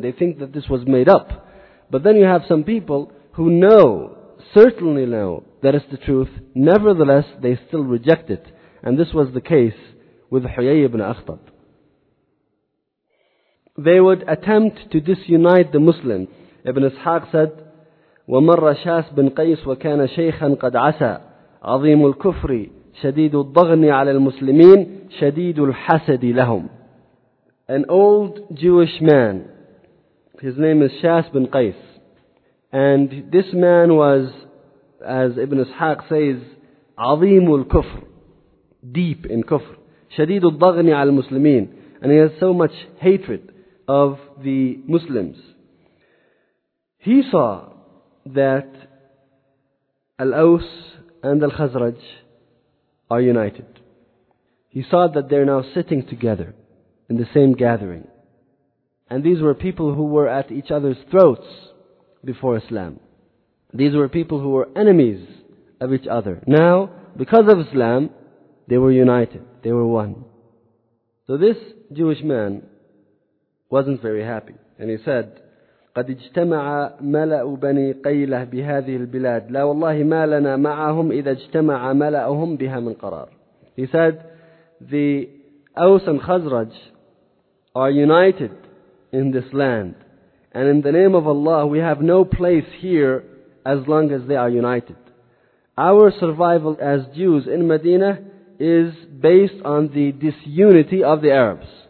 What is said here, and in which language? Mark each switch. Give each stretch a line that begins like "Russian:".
English: They think that this was made up. But then you have some people who know, certainly know, that it's the truth. Nevertheless, they still reject it. And this was the case with Huyay ibn Akhtab. They would attempt to disunite the Muslims. Ibn Ishaq said,
Arabic: وَمَرَّ شَاسْ بِنْ قَيْسْ وَكَانَ شَيْخًا قَدْ عَسَى عَظِيمُ الْكُفْرِ شَدِيدُ الضَّغْنِ عَلَى الْمُسْلِمِينَ شَدِيدُ الْحَسَدِ لَهُمْ.
English: An old Jewish man, his name is Shas bin Qais, and this man was, as Ibn Ishaq says,
Arabic: عَظِيمُ الْكُفْرِ,
English: deep in kufr,
Arabic: شَدِيدُ الضَّغْنِ عَلَى الْمُسْلِمِينَ,
English: and he has so much hatred of the Muslims. He saw that Al-Aws and Al-Khazraj are united. He saw that they're now sitting together in the same gathering. And these were people who were at each other's throats before Islam. These were people who were enemies of each other. Now, because of Islam, they were united. They were one. So this Jewish man wasn't very happy. And he said,
Arabic: قَدْ اجْتَمَعَ مَلَأُ بَنِي قَيْلَهُ بِهَذِهِ الْبِلَادِ لَا وَاللَّهِ مَا لَنَا مَعَهُمْ إِذَا اجْتَمَعَ مَلَأُهُمْ بِهَا مِنْ قَرَارٍ.
English: He said, the Aws and Khazraj are united in this land. And in the name of Allah, we have no place here as long as they are united. Our survival as Jews in Medina is based on the disunity of the Arabs.